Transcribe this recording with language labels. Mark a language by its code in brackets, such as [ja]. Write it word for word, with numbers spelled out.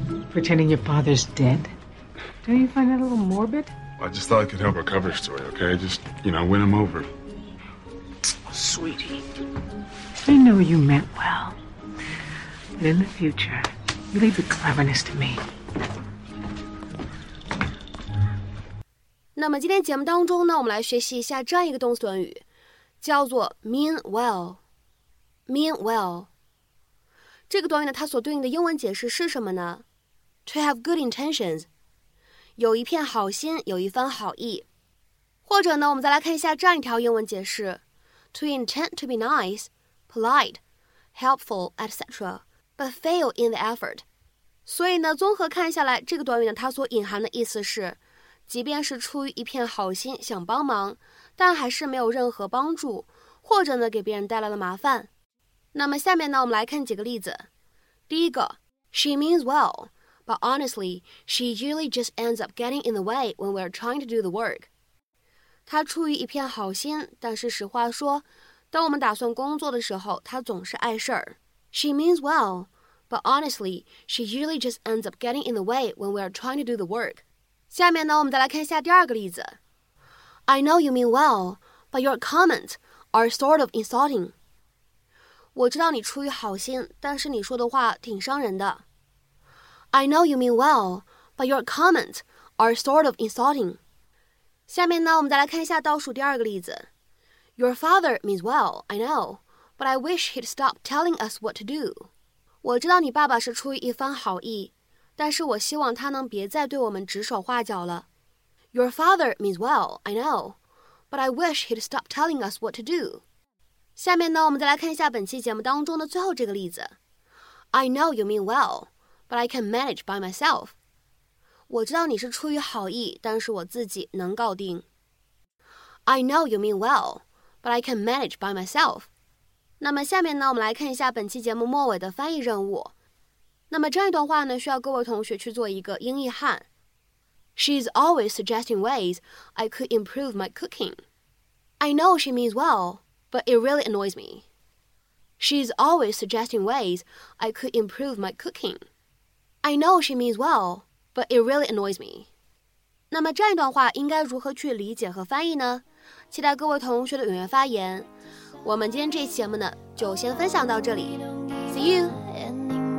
[en] Pretending your father's dead? Don't you find that a little morbid? I just thought I could help her cover story, okay? Just, you know, win him over. Sweetie, I know you meant well, but in the future, you leave the cleverness to me. [zh] 那么今天节目当中呢，我们来学习一下这样一个动词短语，叫做 mean well. [en] Mean well. [zh] 这个短语呢，它所对应的英文解释是什么呢？ [en] To have good intentions， [zh] 有一片好心，有一番好意。或者呢，我们再来看一下这样一条英文解释 [en] ：To intend to be nice, polite, helpful, et cetera, but fail in the effort。 [zh] 所以呢，综合看下来，这个短语呢，它所隐含的意思是，即便是出于一片好心想帮忙，但还是没有任何帮助，或者呢，给别人带来了麻烦。那么下面呢，我们来看几个例子。第一个 [en] ，She means well。 But honestly, she usually just ends up getting in the way when we're trying to do the work. [zh] 她出于一片好心，但是实话说，当我们打算工作的时候，她总是碍事儿。 [en] She means well, but honestly, she usually just ends up getting in the way when we're trying to do the work. [zh] 下面呢，我们再来看一下第二个例子。 [en] I know you mean well, but your comments are sort of insulting. [zh] 我知道你出于好心，但是你说的话挺伤人的。 [en] I know you mean well, but your comments are sort of insulting. [zh] 下面呢，我们再来看一下倒数第二个例子。 [en] Your father means well, I know, but I wish he'd stop telling us what to do. [zh] 我知道你爸爸是出于一番好意，但是我希望他能别再对我们指手画脚了。 [en] Your father means well, I know, but I wish he'd stop telling us what to do. [zh] 下面呢，我们再来看一下本期节目当中的最后这个例子。 [en] I know you mean well. But I can manage by myself. [zh] 我知道你是出于好意，但是我自己能搞定。 [en] I know you mean well, but I can manage by myself. [zh] 那么下面呢，我们来看一下本期节目末尾的翻译任务。那么这样一段话呢，需要各位同学去做一个英译汉。 [en] She's always suggesting ways I could improve my cooking. I know she means well, but it really annoys me. She is always suggesting ways I could improve my cooking. I know she means well, but it really annoys me. [zh] 那么这样一段话应该如何去理解和翻译呢？期待各位同学的踊跃发言。我们今天这期节目呢，就先分享到这里。 [en] See you!